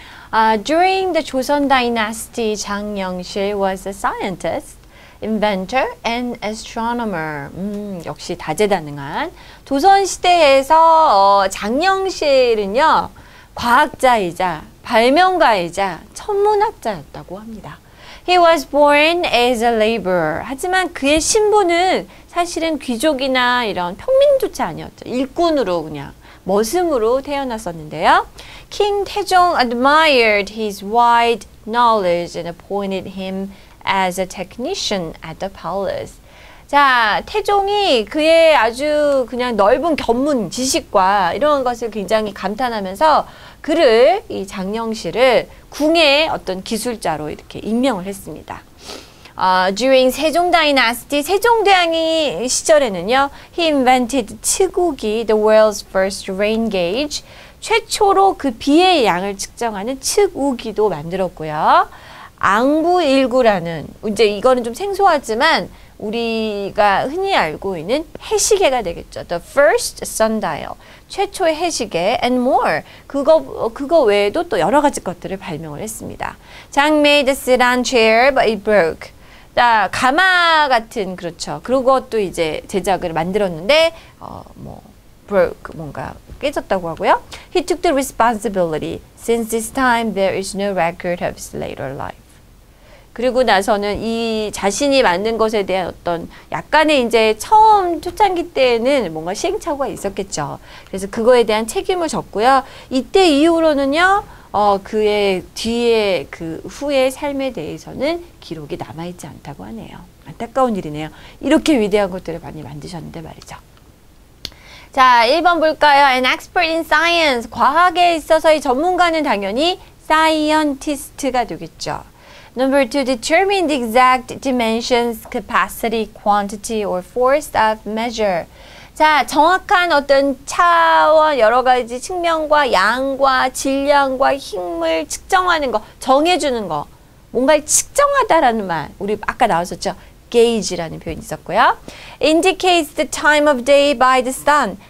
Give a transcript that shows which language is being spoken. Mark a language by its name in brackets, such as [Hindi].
[English] During the Joseon dynasty, 장영실 was a scientist, inventor, and astronomer. [Korean] 역시 다재다능한. 조선시대에서 장영실은요, 과학자이자 발명가이자 천문학자였다고 합니다. [English] He was born as a laborer. [Korean] 하지만 그의 신분은 사실은 귀족이나 이런 평민조차 아니었죠. 일꾼으로 그냥 머슴으로 태어났었는데요. [English] King Taejong admired his wide knowledge and appointed him as a technician at the palace. [Korean] 자, 태종이 그의 아주 그냥 넓은 견문, 지식과 이런 것을 굉장히 감탄하면서 그를, 이 장영실을 궁의 어떤 기술자로 이렇게 임명을 했습니다. [English] During 세종 다이나스티, [Korean] 세종대왕이 시절에는요, [English] he invented 측우기, the world's first rain gauge. [Korean] 최초로 그 비의 양을 측정하는 측우기도 만들었고요. 앙부일구라는, 이제 이거는 좀 생소하지만, 우리가 흔히 알고 있는 해시계가 되겠죠. [English] The first sundial, [Korean] 최초의 해시계 [English] and more. [Korean] 그거 외에도 또 여러 가지 것들을 발명을 했습니다. [English] Zhang made a sedan chair, but it broke. [Korean] 자, 가마 같은 그렇죠. 그것도 이제 제작을 만들었는데 뭐 broke 뭔가 깨졌다고 하고요. [English] He took the responsibility since this time there is no record of his later life. [Korean] 그리고 나서는 이 자신이 만든 것에 대한 어떤 약간의 이제 처음 초창기 때에는 뭔가 시행착오가 있었겠죠. 그래서 그거에 대한 책임을 졌고요. 이때 이후로는요, 그의 뒤에 그 후의 삶에 대해서는 기록이 남아있지 않다고 하네요. 안타까운 일이네요. 이렇게 위대한 것들을 많이 만드셨는데 말이죠. 자, 1번 볼까요? [English] An expert in science. [Korean] 과학에 있어서의 전문가는 당연히 scientist가 되겠죠. [English] Number two, determine the exact dimensions, capacity, quantity, or force of measure. [Korean] 자, 정확한 어떤 차원, 여러 가지 측면과 양과 질량과 힘을 측정하는 거, 정해주는 거. 뭔가를 측정하다라는 말, 우리 아까 나왔었죠? gauge라는 표현이 있었고요. [English] Indicates the time of day by the sun.